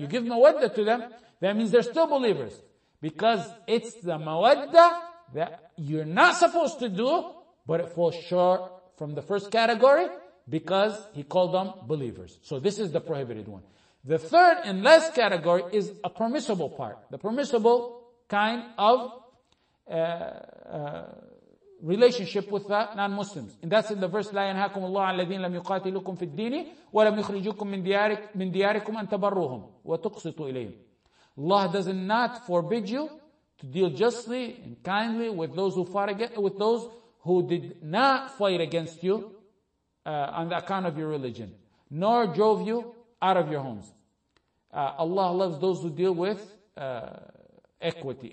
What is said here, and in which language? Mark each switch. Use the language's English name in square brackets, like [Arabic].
[English] You give mawadda to them. That means they're still believers. Because it's the mawadda that you're not supposed to do, but it falls short from the first category, because he called them believers. So this is the prohibited one. The third and last category is a permissible part. The permissible kind of relationship with the non-Muslims. And that's in the verse, [Arabic] لا ينهاكم الله عن الذين لم يقاتلوكم في الدين ولم يخرجوكم من دياركم أن تبروهم وتقسطوا إليهم. [English] Allah does not forbid you to deal justly and kindly with those who fought against, with those who did not fight against you on the account of your religion, nor drove you out of your homes. Allah loves those who deal with equity.